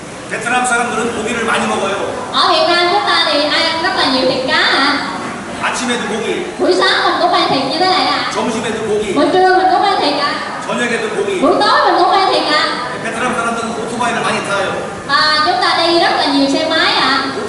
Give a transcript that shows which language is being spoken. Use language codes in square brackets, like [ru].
[ko] Việt Nam 사람들은 고기를 많이 먹어요. [vi] Ở Việt Nam chúng ta thì ăn rất là nhiều thịt cá à? [ko] 아침에도 고기. [vi] Buổi sáng mình cũng ăn thịt như thế này à? [ko] 점심에도 고기. [vi] Buổi trưa mình cũng ăn thịt à? [ko] 저녁에도 고기. [vi] Buổi tối mình cũng ăn thịt à? [ko] Việt Nam 사람들은 오토바이를 많이 타요. [vi] À, chúng ta đi rất là nhiều xe máy ạ.